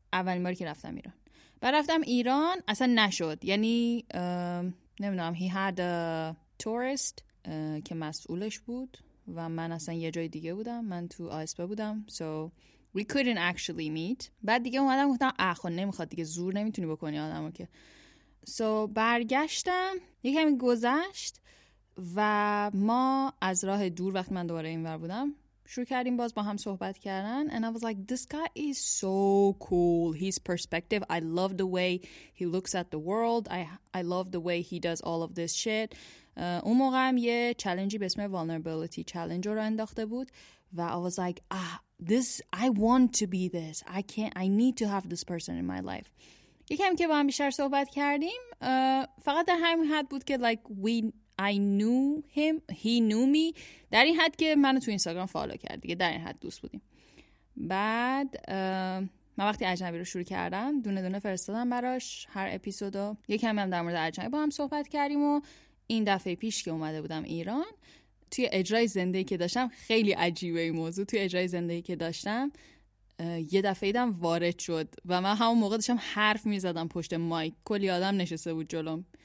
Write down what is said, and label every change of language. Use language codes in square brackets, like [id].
[fa] اولین باری که رفتم ایران، رفتم ایران اصلا نشد، یعنی نمیدونم [en] he had a tourist [fa] که مسئولش بود و من اصلا یه جای دیگه بودم، من تو آسپا بودم، [en] so we couldn't actually meet. [fa] بعد دیگه اومدم گفتم اخون نمیخواد دیگه، زور نمیتونی بکنی آدمو که. so برگشتم، یکم گذشت و ما از راه دور وقتی من دوباره اینور بودم شروع کردیم باز با هم صحبت کردن. [en] And I was like, this guy is so cool. His perspective. I love the way he looks at the world. I love the way he does all of this shit. [fa] اون موقع هم یه چالنجی به اسم vulnerability challenge رو انداخته بود. و [en] I was like, ah, this, I want to be this. I can't, I need to have this person in my life. [fa] یکم که با هم بیشتر صحبت کردیم فقط در همین حد بود که [en] I knew him, he knew me [fa] در این حد که منو تو اینستاگرام فالو کرد دیگه، در این حد دوست بودیم. بعد من وقتی اجنبی رو شروع کردم دونه دونه فرستادم براش هر اپیزودو، یکم هم در مورد اجنبی با هم صحبت کردیم و این دفعه پیش که اومده بودم ایران توی اجرای زندگی که داشتم، خیلی عجیبه این موضوع، توی اجرای زندگی که داشتم یه دفعه ایدم وارد شد و من همون موقع داشتم حرف میزدم پشت مایک، کلی آدم نشسته بود جلوم.